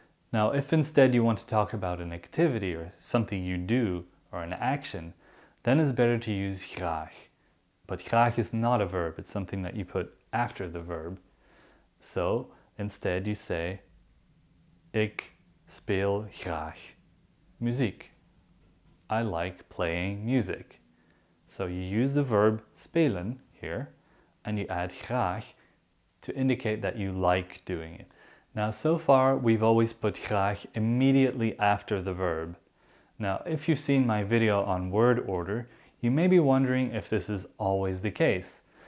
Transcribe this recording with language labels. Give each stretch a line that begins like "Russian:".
English: Now, if instead you want to talk about an activity or something you do or an action, then it's better to use graag. But graag is not a verb, it's something that you put after the verb. So instead you say
Dutch: ik speel graag muziek.
English: I like playing music. So you use the verb spelen here, and you add graag to indicate that you like doing it. Now, so far, we've always put graag immediately after the verb. Now, if you've seen my video on word order, you may be wondering if this is always the case.